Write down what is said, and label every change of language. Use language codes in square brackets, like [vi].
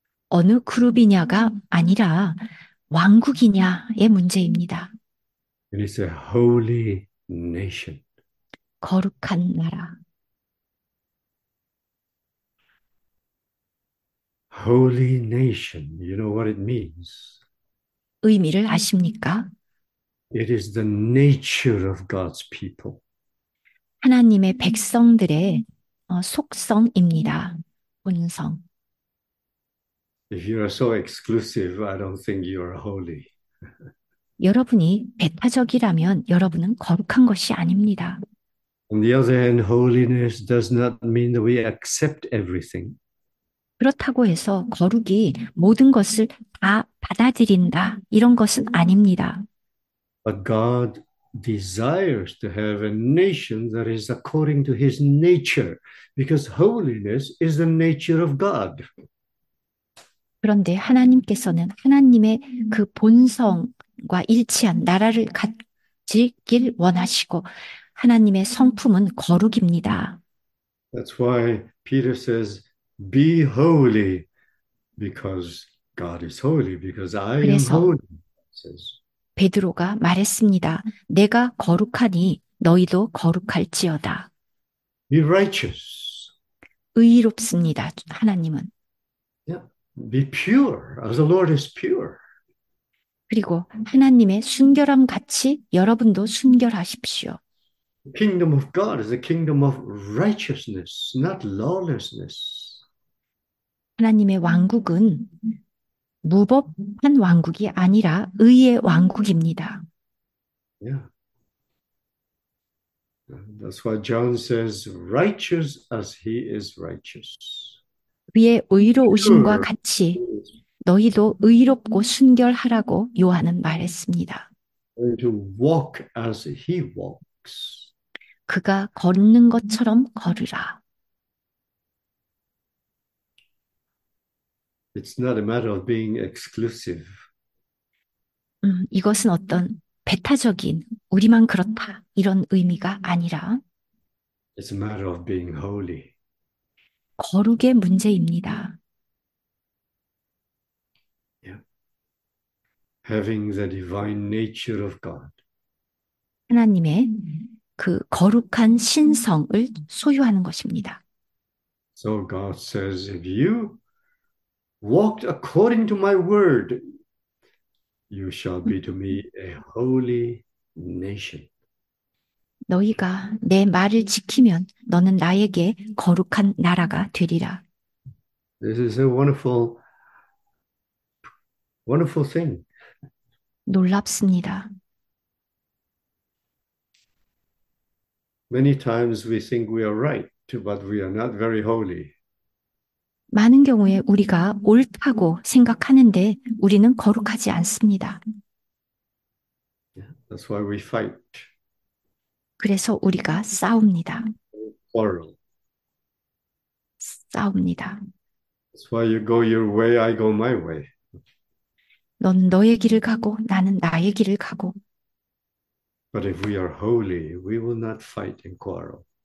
[ko] 어느 그룹이냐가 아니라 왕국이냐의 문제입니다. [en] And it's a holy nation. [ko] 거룩한 나라. [en] Holy nation, you know what it means? [ko] 의미를 아십니까? [en] It is the nature of God's people. [ko] 하나님의 백성들의 속성입니다. 본성. [en] If you are so exclusive, I don't think you are holy. [ko] 여러분이 배타적이라면 여러분은 거룩한 것이 아닙니다. [en] On the other hand, holiness does not mean that we accept everything. [ko] 그렇다고 해서 거룩이 모든 것을 다 받아들인다, 이런 것은 아닙니다. [en] But God desires to have a nation that is according to his nature, because holiness is the nature of God. [ko] 그런데 하나님께서는 하나님의 그 본성과 일치한 나라를 가지길 원하시고, 하나님의 성품은 거룩입니다. [en] That's why Peter says, "Be holy, because God is holy, because I am [ko] 그래서 [en] holy," says. [ko] 베드로가 말했습니다. 내가 거룩하니 너희도 거룩할지어다. [en] Be righteous. [ko] 의롭습니다. 하나님은. [en] Be pure, as the Lord is pure. [ko] 그리고 하나님의 순결함 같이 여러분도 순결하십시오. [en] Kingdom of God is a kingdom of righteousness, not lawlessness. [ko] 하나님의 왕국은 무법한 왕국이 아니라 의의 왕국입니다. [en] That's why John says, righteous as he is righteous. [ko] 위에 의로우심과 [en] Pure. [ko] 같이 너희도 의롭고 순결하라고 요한은 말했습니다. [en] To walk as he walks. [ko] 그가 걷는 것처럼 걸으라. [en] It's not a matter of being exclusive. [ko] 이것은 어떤 배타적인, 우리만 그렇다, 이런 의미가 아니라 [en] It's a matter of being holy. [ko] 거룩의 문제입니다. [en] Having the divine nature of God. [ko] 하나님의 그 거룩한 신성을 소유하는 것입니다. [en] So God says, if you walked according to my word, you shall be to me a holy nation. [ko] 너희가 내 말을 지키면 너는 나에게 거룩한 나라가 되리라. [en] This is a wonderful, wonderful thing. [ko] 놀랍습니다. [en] Many times we think we are right, but we are not very holy. [ko] 많은 경우에 우리가 옳다고 생각하는데 우리는 거룩하지 않습니다. [en] Yeah, that's why we fight. [ko] 그래서 우리가 싸웁니다. [en] Quarrel. [ko] 싸웁니다. [en] That's why you go your way, I go my way. [ko] 넌 너의 길을 가고 나는 나의 길을 가고. [en] But if we are holy, we will not fight and quarrel.